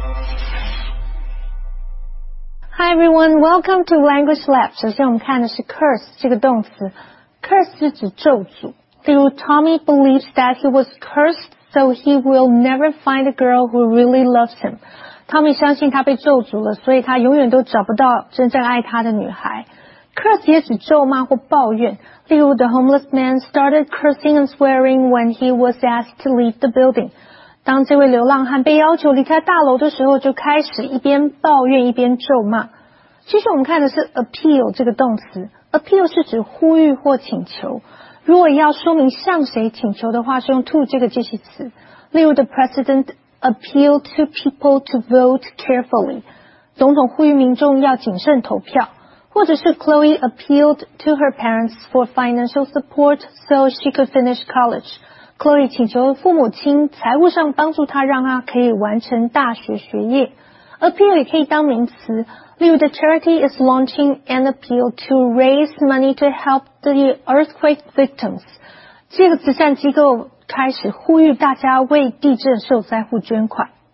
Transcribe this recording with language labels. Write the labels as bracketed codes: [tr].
[en] Hi everyone, welcome to Language Lab. [zh] 首先我们看的是 curse 这个动词。Curse 是指咒诅。例如 [en] Tommy believes that he was cursed so he will never find a girl who really loves him. [zh] Tommy 相信他被咒诅了，所以他永远都找不到真正爱他的女孩。 Curse 也指咒骂或抱怨。例如 [en] The homeless man started cursing and swearing when he was asked to leave the building. [zh] 当这位流浪汉被要求离开大楼的时候，就开始一边抱怨一边咒骂。其实我们看的是 appeal 这个动词， appeal 是指呼吁或请求。如果要说明向谁请求的话，是用 to 这个介系词。例如 [en] ，The president appealed to people to vote carefully。 [zh] 总统呼吁民众要谨慎投票。或者是 [en] Chloe appealed to her parents for financial support so she could finish college。 [zh] Chloe 请求父母亲财务上帮助她，让她可以完成大学学业。 [en] Appeal [zh] 也可以当名词，例如 [en] The charity is launching an appeal to raise money to help the earthquake victims. [zh] 这个慈善机构开始呼吁大家为地震受灾户捐款。